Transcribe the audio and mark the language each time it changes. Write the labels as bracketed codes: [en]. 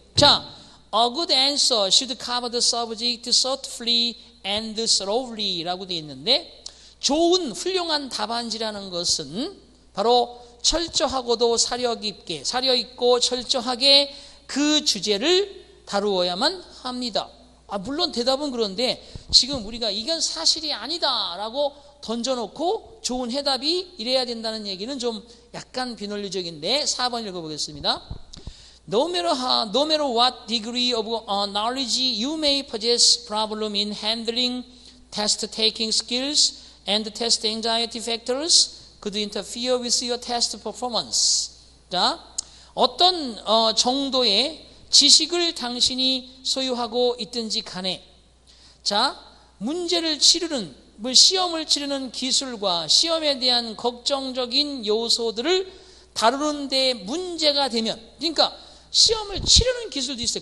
[ko] 자, [en] A good answer should cover the subject thoughtfully and slowly [ko] 라고 되어 있는데 좋은 훌륭한 답안지라는 것은 바로 철저하고도 사려 깊게 사려 있고 철저하게 그 주제를 다루어야만 합니다. 아 물론 대답은 그런데 지금 우리가 이건 사실이 아니다 라고 던져놓고 좋은 해답이 이래야 된다는 얘기는 좀 약간 비논리적인데 4번 읽어보겠습니다. [en] No matter what degree of knowledge you may possess problem in handling test taking skills and test anxiety factors could interfere with your test performance. [ko] 자, 어떤 정도의 지식을 당신이 소유하고 있든지 간에 자, 문제를 치르는 뭐 시험을 치르는 기술과 시험에 대한 걱정적인 요소들을 다루는 데 문제가 되면 그러니까 시험을 치르는 기술도 있어요.